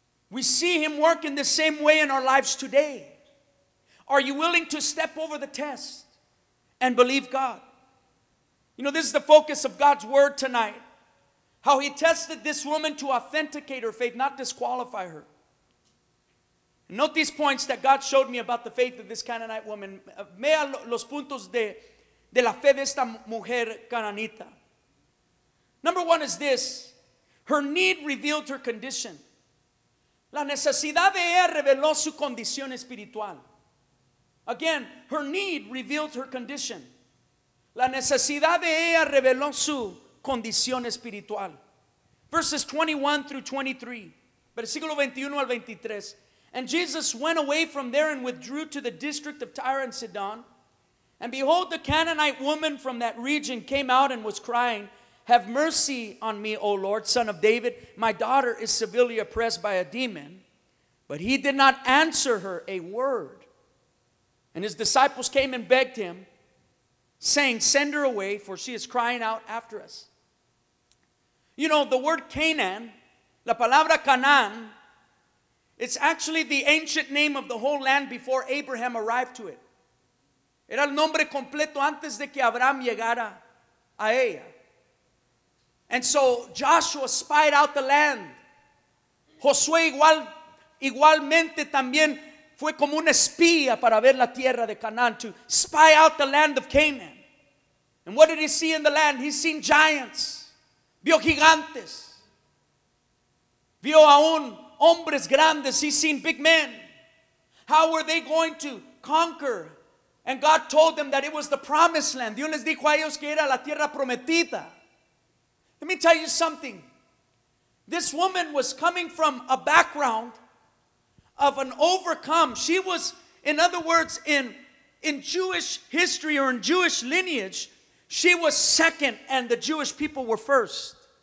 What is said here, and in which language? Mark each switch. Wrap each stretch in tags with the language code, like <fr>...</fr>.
<en>We see him work in the same way in our lives today. Are you willing to step over the test and believe God? You know, this is the focus of God's word tonight. How he tested this woman to authenticate her faith, not disqualify her. Note these points that God showed me about the faith of this Canaanite woman.</en> <es>Vea los puntos de la fe de esta mujer cananita.</es> <en>Number one is this. Her need revealed her condition.</en> <es>La necesidad de ella reveló su condición espiritual.</es> <en>Again, her need revealed her condition.</en> <es>La necesidad de ella reveló su condición espiritual.</es> <en>Verses 21 through 23.</en> <es>Versículo 21 al 23.</es> <en>And Jesus went away from there and withdrew to the district of Tyre and Sidon. And behold, the Canaanite woman from that region came out and was crying, have mercy on me, O Lord, son of David. My daughter is severely oppressed by a demon. But he did not answer her a word. And his disciples came and begged him, saying, send her away, for she is crying out after us. You know, the word Canaan,</en> <es>la palabra Canaan,</es> <en>it's actually the ancient name of the whole land before Abraham arrived to it.</en> <es>Era el nombre completo antes de que Abraham llegara a ella.</es> <en>And so Joshua spied out the land.</en> <es>Josué igualmente también fue como un espía para ver la tierra de Canaan,</es> <en>to spy out the land of Canaan. And what did he see in the land? He seen giants.</en> <es>Vio gigantes. Vio aún hombres grandes.</es> <en>He's seen big men. How were they going to conquer? And God told them that it was the promised land.</en> <es>Dios les dijo a ellos que era la tierra prometida.</es> <en>Let me tell you something. This woman was coming from a background of an overcome. She was, in other words, in Jewish history or in Jewish lineage, she was second and the Jewish people were first.</en>